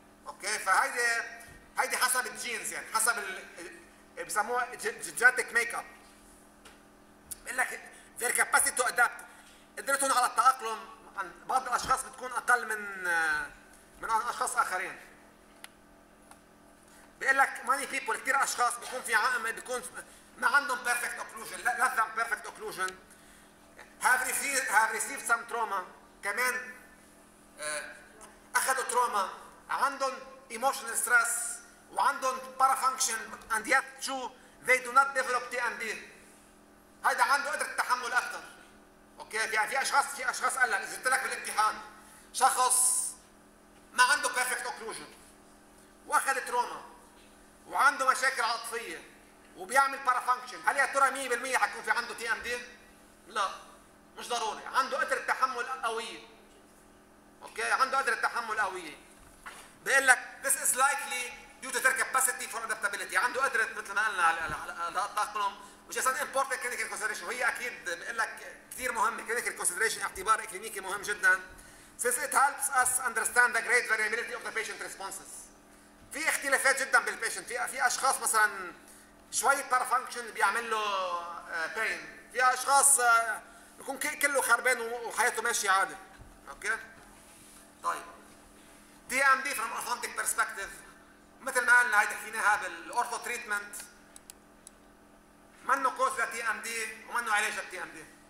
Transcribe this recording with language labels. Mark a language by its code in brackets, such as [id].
[ar] اوكي فهيدي حسب الجينز يعني حسب بسموها جينيتك ميك اب. بقول لك [en] their capacity to adapt [ar] قدرتهم على التأقلم عن بعض الأشخاص بتكون أقل من أشخاص آخرين. بقول لك [en] many people [ar] كثير أشخاص بيكون في عائمة بيكون ما عندهم [en] perfect occlusion [ar] لا لازم perfect occlusion [en] have received some trauma [ar] كمان أخذوا تروما عندهم [en] emotional stress [ar] وعندهم [en] parafunction and yet [ar] شو [en] they do not develop TMD. [ar] هيدا عنده قدرة تحمل أكثر. اوكي يعني في اشخاص قال لك اذا قلت لك بالامتحان شخص ما عنده بيرفكت اوكلوجن واخذ تروما وعنده مشاكل عاطفيه وبيعمل بارافانكشن هل يا ترى 100% حيكون في عنده تي ام دي؟ لا مش ضروري. عنده قدره تحمل قويه. اوكي عنده قدره تحمل قويه. بيقول لك [en] this is likely due to their capacity for adaptability. [ar] عنده قدره مثل ما قلنا على التاقلم وجسد امبورتنت كلينيكال كونسيدريشن وهي اكيد بيقول لك كثير مهم كلينيكال كونسيدريشن اعتبار اكلينيكي مهم جدا. [en] Since it helps us understand the great variability of the patient responses. [ar] في اختلافات جدا بالبيشنت. في اشخاص مثلا شويه بارافانكشن بيعمل له بين. في اشخاص بيكون كله خربان وحياته ماشيه عادي. اوكي طيب دي ام دي فروم اورثوديك برسبكتيف مثل ما قلنا هيدا حكيناها بالاورثو تريتمنت منه كوز لتي ام دي ومنه علاج لتي ام دي.